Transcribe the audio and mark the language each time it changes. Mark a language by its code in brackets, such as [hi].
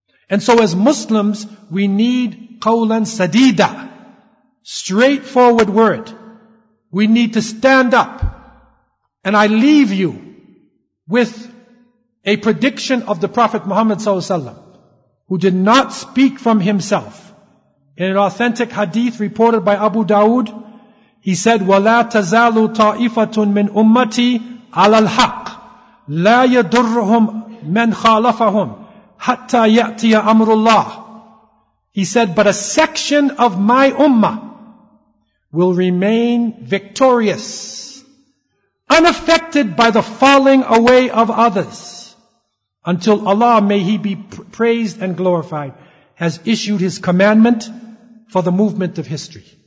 [en] And so as Muslims, we need qawlan sadida. Straightforward word. We need to stand up. And I leave you with a prediction of the Prophet Muhammad sallallahu alaihi wasallam, who did not speak from himself. In an authentic hadith reported by Abu Dawood, he said, [ar] وَلَا تَزَالُ طَائِفَةٌ مِنْ أُمَّتِي عَلَى الْحَقِّ لَا يَدُرُّهُمْ مَنْ خَالَفَهُمْ حَتَّى يَأْتِيَ أَمْرُ اللَّهِ. [en] He said, but a section of my ummah will remain victorious, unaffected by the falling away of others, until Allah, may He be praised and glorified, has issued His commandment for the movement of history.